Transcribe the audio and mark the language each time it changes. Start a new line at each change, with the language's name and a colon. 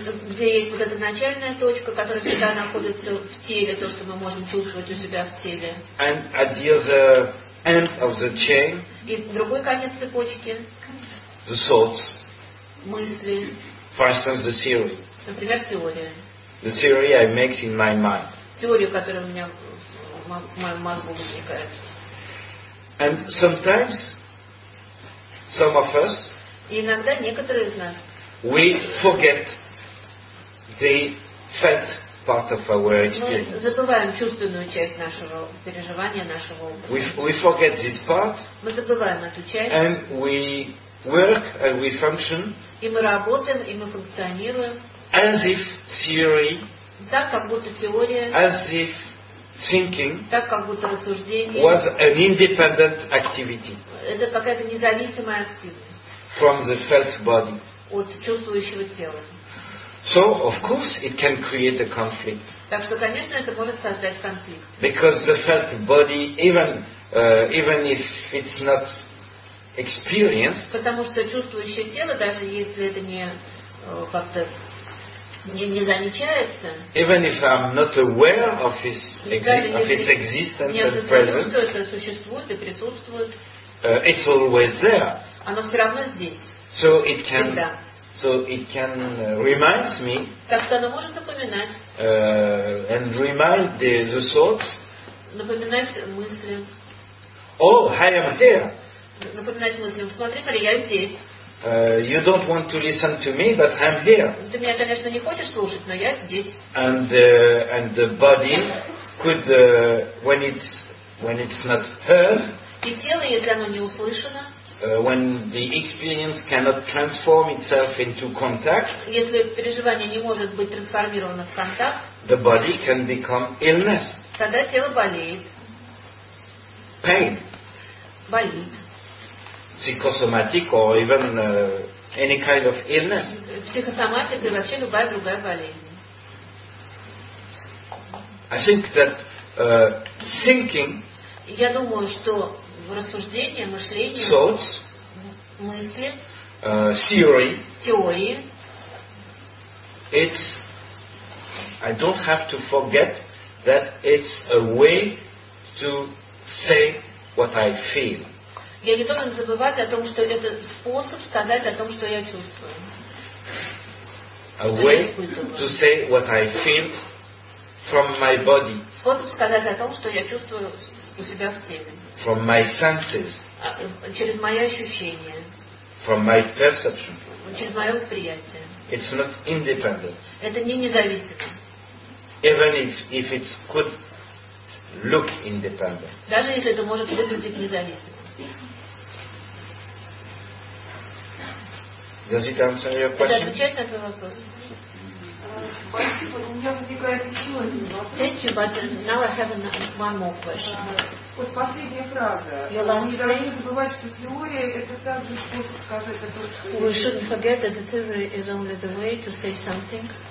Russian: Где есть вот эта начальная точка, которая всегда находится в теле, то, что мы можем чувствовать у себя в теле.
English: And at the other end of the chain.
Russian: И другой конец цепочки.
English: The thoughts.
Russian: Мысли.
English: For instance, the theory.
Russian: Например, теория.
English: The theory I make in my mind.
Russian: Теорию, которая у меня в моем мозгу возникает.
English: And sometimes some of us.
Russian: Иногда некоторые из нас.
English: We forget the felt part of our experience.
Russian: Мы забываем чувственную часть нашего переживания, нашего опыта.
English: We forget this part.
Russian: Мы забываем эту часть.
English: And we work and we function.
Russian: И мы работаем, и мы функционируем.
English: As if theory,
Russian: так как будто теория,
English: as if thinking,
Russian: так как будто рассуждение,
English: was an independent activity.
Russian: Это какая-то независимая активность.
English: From the felt body.
Russian: От чувствующего тела.
English: So of course it can create a conflict.
Russian: Так что, конечно, это может создать конфликт.
English: Because the felt body, even if it's not experienced,
Russian: потому что чувствующее тело, даже если это не как-то не замечается.
English: Even if I'm not aware of his existence and presence,
Russian: это существует и присутствует.
English: It's always there.
Russian: Оно все равно здесь.
English: So it can.
Russian: Всегда.
English: So it can remind me.
Russian: Так что оно может напоминать.
English: And remind the thoughts.
Russian: Напоминать мысли.
English: Oh, I am here.
Russian: Напоминать мысли. Смотри, смотри, я здесь.
English: You don't want to listen to me, but I'm here.
Russian: Ты меня, конечно, не хочешь слушать, но я здесь.
English: And the body could when it's not heard.
Russian: И тело, если оно не услышано.
English: When the experience cannot transform itself into contact.
Russian: Если переживание не может быть трансформировано в контакт.
English: The body can become illness.
Russian: Тогда тело болеет.
English: Pain.
Russian: Болит.
English: Psychosomatic or even any kind of illness.
Russian: Психосоматика и вообще любая другая болезнь.
English: I think that thinking.
Russian: Я думаю, что рассуждение, мышление.
English: Thoughts.
Russian: Мысли.
English: Theory.
Russian: Теории.
English: It's. I don't have to forget that it's a way to say what I feel.
Russian: Я не должен забывать о том, что это способ сказать о том, что я чувствую.
English: A way to say what I feel from my body.
Russian: Способ сказать о том, что я чувствую у себя в теле.
English: From my senses.
Russian: Через мои ощущения.
English: From my perception.
Russian: Через мое восприятие.
English: It's not independent.
Russian: Это не независимо.
English: Even if it could look independent.
Russian: Даже если это может выглядеть независимо.
English: Does it answer your question?
Russian: Это отвечает на твой вопрос. Спасибо, у меня возникает еще один вопрос.
English: Thank you, but now I have one more question.
Russian: Вот последняя фраза. Мы должны забывать, что теория это так же, что сказать, это просто...
English: We shouldn't forget that the theory is only the way to say something.